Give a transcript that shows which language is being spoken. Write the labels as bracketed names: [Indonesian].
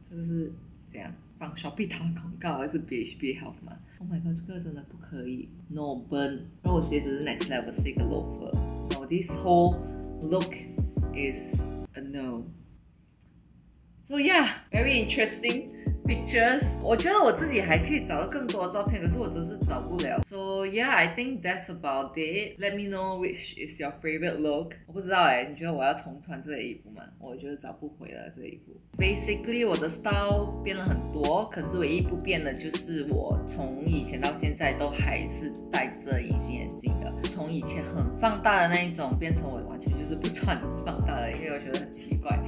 [Chinese] 这个是怎样帮 Shopee 打广告还是 BHB Health 吗 ？ [English] Oh my god, [Chinese] 这个真的不可以。 [English] No burn. [Chinese] 然后我鞋子是 [English] next level, [Chinese] 是一个 [English] loafer. Now this whole look is a no. So yeah, very interesting pictures. [Chinese] 我觉得我自己还可以找到更多的照片，可是我真是找不了。 [English] So yeah, I think that's about it. Let me know which is your favorite look. [Chinese] 我不知道哎，你觉得我要重穿这个衣服吗？我觉得找不回了这个衣服。 Basically, 我的 style 变了很多，可是唯一不变的就是我从以前到现在都还是戴着隐形眼镜的。从以前很放大的那一种，变成我完全就是不穿放大的，因为我觉得很奇怪。